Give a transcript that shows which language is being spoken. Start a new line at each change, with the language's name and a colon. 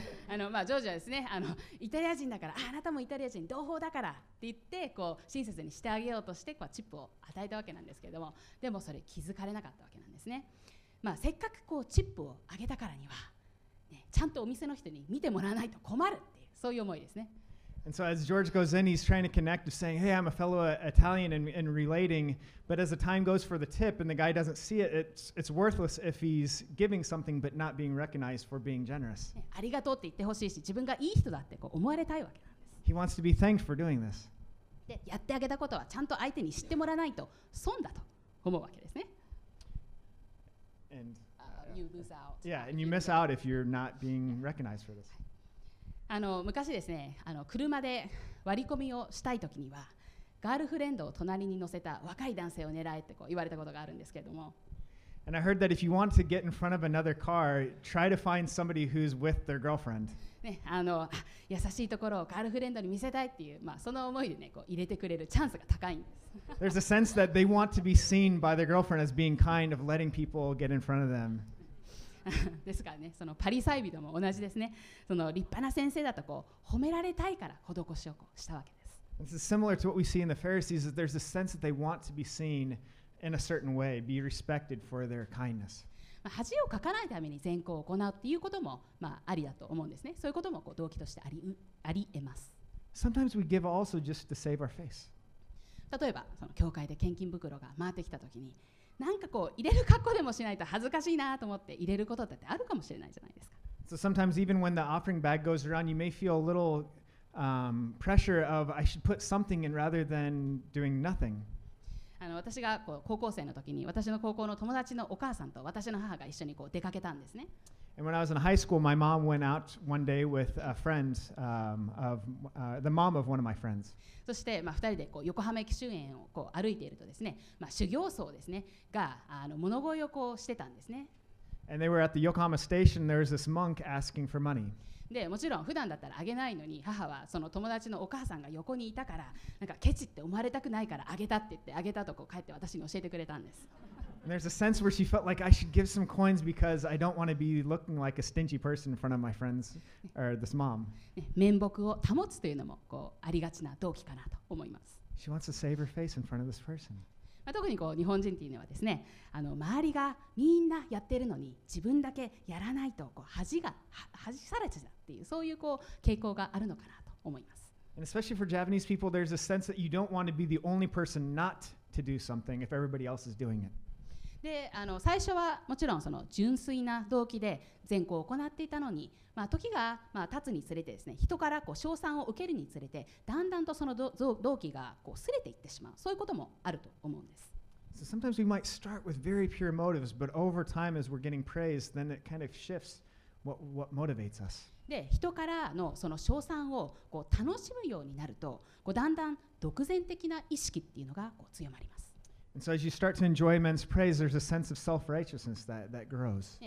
Japanese: あのまあ、ジョージはですねあのイタリア人だから あなたもイタリア人同胞だからって言ってこう親切にしてあげようとしてこうチップを与えたわけなんですけれどもでもそれ気づかれなかったわけなんですね、まあ、せっかくこうチップをあげたからには、ね、ちゃんとお店の人に見てもらわないと困るっていうそういう思いですね。
English: And so as George goes in, he's trying to connect, saying, hey, I'm a fellow Italian and relating. But as the time goes for the tip and the guy doesn't see it, it's worthless if he's giving something but not being recognized for being generous.
Japanese: ありがとうって言ってほしいし、自分がいい人だってこう思われたいわけなんです。
English: He wants to be thanked for doing this.
Japanese: で、やってあげたことはちゃんと相手に知ってもらわないと損だと思うわけですね。
English: And you lose out. Yeah, and you miss out if you're not being recognized for this.
Japanese: あの昔ですねあの車で割り込みをしたいときにはガールフレンドを隣に乗せた若い男性を狙えってこう言われたことがあるんですけれども
English: And I heard that if you want to get in front of another car, try to find somebody who's with their girlfriend.、
Japanese: ね、あの優しいところをガールフレンドに見せたいっていう、まあ、その思いで、ね、こう入れてくれるチャンスが高いんです。
English: There's a sense that they want to be seen by their girlfriend as being kind of letting people get in front of them.
Japanese: ですからね、そのパリサイ人も同じですね。その立派な先生だとこう褒められたいから施しをこうしたわけです。
English: This is similar to what we see in the Pharisees, that there's a sense that they want to be seen in a certain way, be respected for their kindness.
Japanese: 恥をかかないために善行を行うっていうこともまあありだと思うんですね。そういうこともこう動機としてありえます。
English: Sometimes we give also just to save our face.
Japanese: 例えばその教会で献金袋が回ってきたときに。なんかこう入れる格好でもしないと恥ずかしいなと思って入れることだってあるかもしれないじゃないですか。
English: So sometimes even when the offering bag goes around, you may feel a little pressure of I should put something in rather than doing nothing.
Japanese: あの私がこう高校生の時に私の高校の友達のお母さんと私の母が一緒にこう出かけたんですね。
English: And when I was in high school, my mom went out one day with a friend of the mom of one of my friends.
Japanese: そして、まあ、二人でこう横浜駅周辺をこう歩いているとですね、まあ、修行僧ですね、があの物乞いをこうしてたんですね。
English: And they were at the Yokohama station. There was this monk asking for money.
Japanese: で、もちろん普段だったらあげないのに、母はその友達のお母さんが横にいたから、なんかケチって思われたくないからあげたって言ってあげたとこう帰って私に教えてくれたんです。
English: And there's a sense where she felt like I should give some coins because I don't want to be looking like a stingy person in front of my friends or this mom.
Japanese: 面目を保つというのもこうありがちな動機かなと思います。
English: She wants to save her face in front of this person.
Japanese: 特にこう日本人というのはですね、あの周りがみんなやってるのに自分だけやらないとこう恥されちゃうっていうそういうこう傾向があるのかなと思います。
English: And especially for Japanese people, there's a sense that you don't want to be the only person not to do something if everybody else is doing it.
Japanese: であの最初はもちろんその純粋な動機で善行を行っていたのに、まあ、時がまあ経つにつれてですね、人からこう称賛を受けるにつれて、だんだんとその動機がこう擦れていってしまう、そういうこともあると思うんです。
English: So sometimes we might start with very pure motives, but over time as we're getting praised, then it kind of shifts what motivates us.
Japanese: で、人からのその称賛をこう楽しむようになると、こうだんだん独善的な意識っていうのがこう強まります。
English: And so as you start to enjoy men's praise, there's a sense of self-righteousness that grows.